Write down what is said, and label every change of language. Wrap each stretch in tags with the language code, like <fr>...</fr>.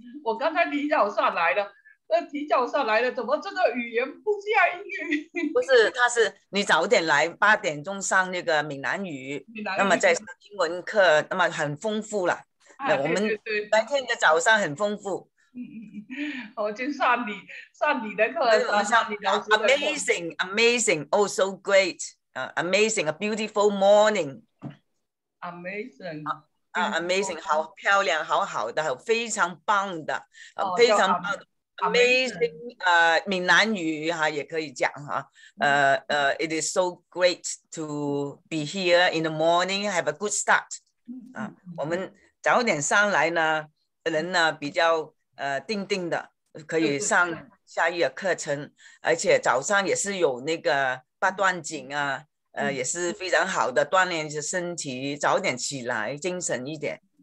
<zh>我刚才提早上来了，提早上来了，怎么这个语言不像英语？不是，他是你早点来，八点钟上那个闽南语，那么再上英文课，那么很丰富了。啊、对对对我们白天的早上很丰富。嗯嗯嗯。我就算你算你的课了，算你老师的课。</zh> <en>Amazing, amazing, oh so great, amazing, a beautiful morning. Amazing. Amazing,</en> <zh>好漂亮，好好的，非常棒的，非常棒的。</zh> <en>Amazing,</en> <zh>闽南语哈也可以讲哈。</zh> <en>It is so great to be here in the morning, have a good start.</en> <zh>我们早点上来呢，人呢比较定定的，可以上夏玉的课程，而且早上也是有那个八段锦啊。也是非常好的锻炼身体，早点起来精神一点。</zh>